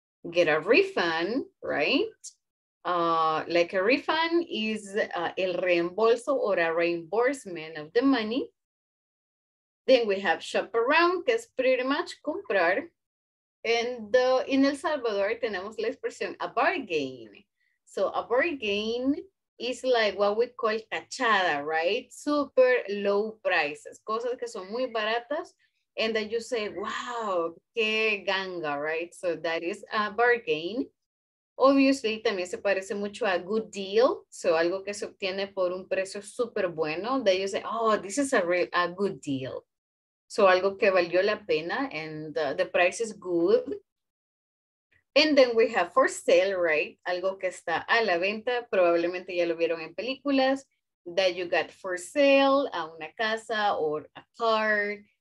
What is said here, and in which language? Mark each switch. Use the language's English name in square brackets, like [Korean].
[English] Get a refund, right? Like a refund is [Spanish] el reembolso [English] or a reimbursement of the money. Then we have shop around, [Spanish] que es [English] pretty much [Spanish] comprar. [English] And in El Salvador, [Spanish] tenemos la expresión [English] a bargain. So a bargain is like what we call cachada, right? Super low prices, [Spanish] cosas que son muy baratas. [English] And then you say, wow, [Spanish] qué ganga, [English] right? So that is a bargain. Obviously, [Spanish] también se parece mucho a [English] good deal. [Spanish] So, algo que se obtiene por un precio súper bueno. [English] Then you say, oh, this is a good deal. [Spanish] So, algo que valió la pena [English] and the price is good. And then we have for sale, [Spanish] right? Algo que está a la venta. Probablemente ya lo vieron en películas. [English] that you got for sale, [Spanish] a una casa [English] or a car.